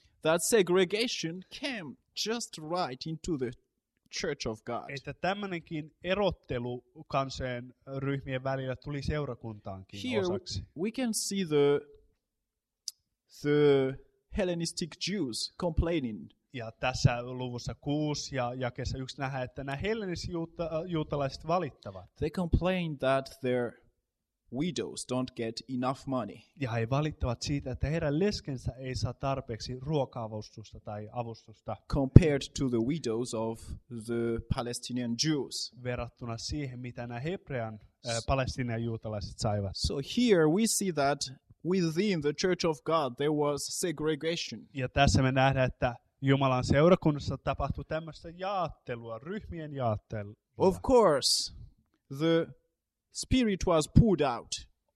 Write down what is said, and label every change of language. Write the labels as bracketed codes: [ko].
[en] that segregation came just right into the church of God. [fi] Että tämmöinenkin erottelu kansojen ryhmien välillä tuli seurakuntaankin [en] here [fi] osaksi. [en] We can see the Hellenistic Jews complaining. [fi] Ja tässä luvussa 6 ja jakeessa 1 nähdään, että nämä hellenisjuutalaiset valittavat. [en] They complain that their widows don't get enough money. [fi] Ja he valittavat siitä, että heidän leskensä ei saa tarpeeksi ruoka-avustusta tai avustusta. [en] Compared to the widows of the Palestinian Jews. [fi] Verrattuna siihen, mitä nämä hebrean Palestinian juutalaiset saivat. [en] So here we see that within the Church of God there was segregation. [fi] Ja tässä me nähdään, että Jumalan seurakunnassa tapahtui tämmöistä jaottelua, ryhmien jaottelua. [en] Of course, the spirit was poured out.